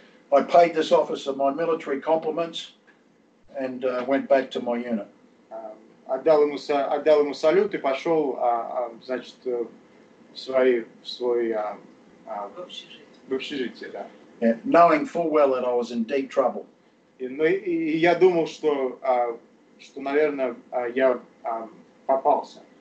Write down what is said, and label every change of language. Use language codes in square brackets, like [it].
[en] I paid this officer my military compliments and went back to my unit. [ru] Отдал ему салют и пошел, значит, в общежитие, да. [en] Yeah, knowing full well that I was in deep trouble. [ru] И я думал, что, наверное, я попался.